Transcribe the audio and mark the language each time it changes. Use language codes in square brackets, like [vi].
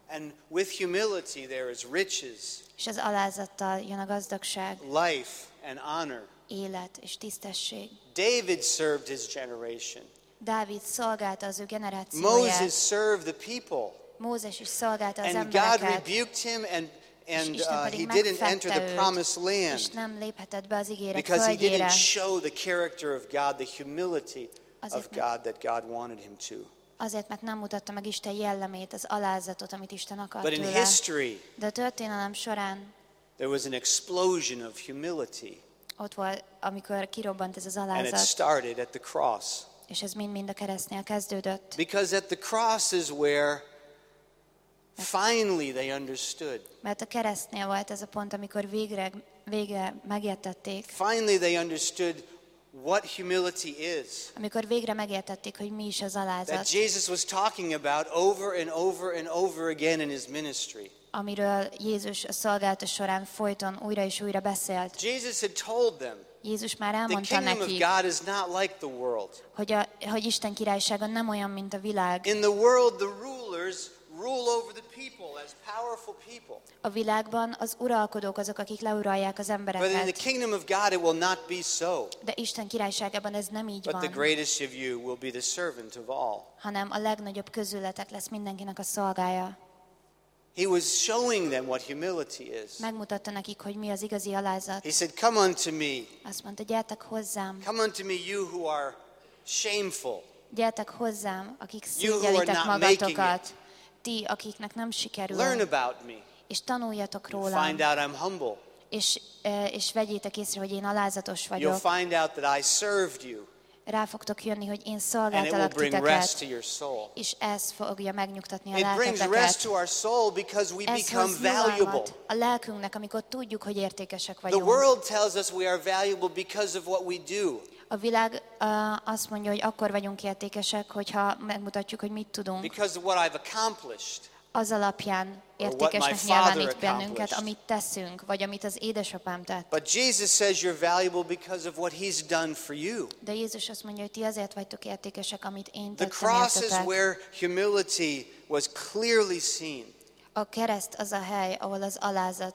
[en] And with humility there is riches. [hu] És az alázattal jön a gazdagság. [en] Life and honor. [hu] Élet és tisztesség. [en] David served his generation. [hu] Dávid szolgálta az ő generációját. [en] Moses served the people. [hu] Mózes is szolgálta az embereket. [en] And God rebuked him and he didn't enter the promised land. [hu] És nem léphetett be az ígéret földjére. [en] Because he didn't show the character of God, the humility of God that God wanted him to. [hu] Azért, mert nem mutatta meg Isten jellemét, az alázatot, amit Isten akart tőle. [en] But in history, [hu] de a történelem során, [en] there was an explosion of humility. [hu] Ott volt, amikor kirobbant ez az alázat. [en] And it started at the cross. [hu] És ez mind a keresztnél kezdődött. [en] Because at the cross is where finally they understood. [hu] Mert a keresztnél volt ez a pont, amikor végre megértették. [en] Finally they understood what humility is. [hu] Amikor végre megértették, hogy mi is az alázat. [en] That Jesus was talking about over and over and over again in his ministry. [hu] Amiről Jézus a szolgálata során folyton újra és újra beszélt. [en] Jesus had told them, [hu] Jézus már elmondta nekik, [en] the kingdom of God is not like the world. [hu] Hogy Isten királysága nem olyan, mint a világ. [en] In the world, the rulers rule over the people as powerful people. [hu] A világban az uralkodók azok, akik leuralják az embereket. [en] But in the kingdom of God it will not be so. [hu] De Isten királyságában ez nem így van. [en] But the greatest of you will be the servant of all. [hu] Hanem a legnagyobb közületek lesz mindenkinek a szolgája. [en] He was showing them what humility is. [hu] Megmutatta nekik, hogy mi az igazi alázat. [en] He said, come unto me. [hu] Azt mondta, gyertek hozzám. [en] Come unto me, you who are shameful. [hu] Gyertek hozzám, akik szégyellitek magatokat. Ti, akiknek nem sikerül, [en] learn about me. [hu] És tanuljatok rólam. [en] Find out I'm humble. [hu] És vegyétek észre, hogy én alázatos vagyok. [en] You'll find out that I served you. [hu] Rá fogtok jönni, hogy én szolgáltalak titeket. És ez fogja megnyugtatni a lelketeket. [en] It brings rest to our soul because we become valuable. [hu] Ez hoz nyugalmat a lelkünknek, amikor tudjuk, hogy értékesek vagyunk. [en] The world tells us we are valuable because of what we do. [hu] A világ azt mondja, hogy akkor vagyunk értékesek, hogyha megmutatjuk, hogy mit tudunk. [en] Because of what I've accomplished. [hu] Az alapján értékesnek nyilvánít bennünket, amit teszünk, vagy amit az édesapám tett. [en] But Jesus says you're valuable because of what he's done for you. [hu] De Jézus azt mondja, hogy ti azért vagytok értékesek, amit én tettem értetek. [en] The cross is where humility was clearly seen. [hu] a kereszt az a hely, ahol az alázat,